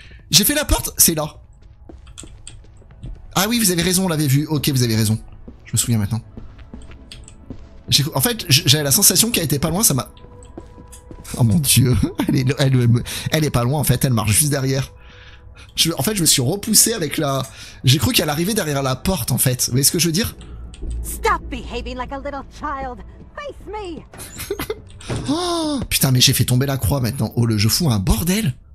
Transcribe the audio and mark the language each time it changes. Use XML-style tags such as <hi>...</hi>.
<fr>J'ai fait la porte, c'est là. Ah oui, vous avez raison, on l'avait vu. Ok, vous avez raison. Je me souviens maintenant. En fait, j'avais la sensation qu'elle était pas loin, ça m'a... Oh mon dieu. Elle est pas loin en fait, elle marche juste derrière. En fait, je me suis repoussé avec la... J'ai cru qu'elle arrivait derrière la porte en fait. Vous voyez ce que je veux dire?</fr> <en>Stop behaving like a little child. Face me.</en> <fr>Oh, putain, mais j'ai fait tomber la croix maintenant. Oh, le jeu fout un bordel.</fr>